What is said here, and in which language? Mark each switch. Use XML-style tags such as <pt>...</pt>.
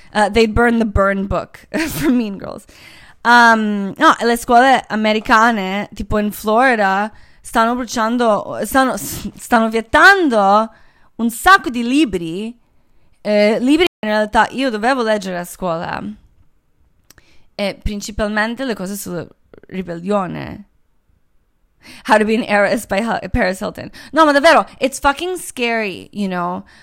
<en>They'd burn the burn book for Mean Girls.</en> <it>No, le scuole americane, tipo in Florida, stanno bruciando, stanno vietando un sacco di libri, libri che in realtà io dovevo leggere a scuola, e principalmente le cose sulla ribellione.</it> <en>How to be an heiress by Paris Hilton.</en> <it>No, ma davvero,</it> <en>it's fucking scary, you know.</en>